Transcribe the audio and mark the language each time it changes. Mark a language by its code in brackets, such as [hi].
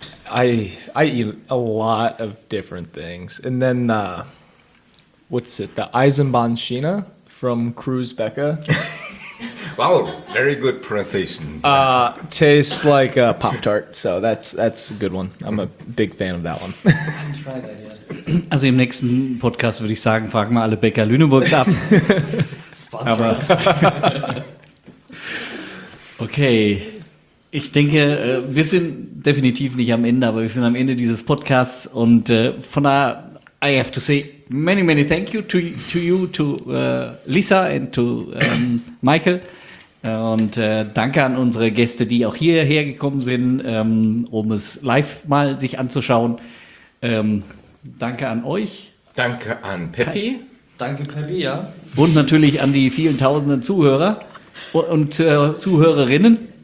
[en] I eat a lot of different things. And then, the [de] Eisenbahn Schiene [en] from Cruz Becca. Wow, very good pronunciation. Tastes like a Pop-Tart, so that's a good one. I'm a big fan of that one. I haven't tried that yet. [de] Also im nächsten Podcast würde ich sagen, fragen wir alle Bäcker Lüneburgs ab. Sponsor. Okay, ich denke, wir sind definitiv nicht am Ende, aber wir sind am Ende dieses Podcasts. Und von daher, [en] I have to say many, many thank you to you, to Lisa and to Michael. [de] Und danke an unsere Gäste, die auch hierher gekommen sind, um es live mal sich anzuschauen. Danke an euch. Danke an Peppi. Danke Peppi, ja. Und natürlich an die vielen tausenden Zuhörer und Zuhörerinnen.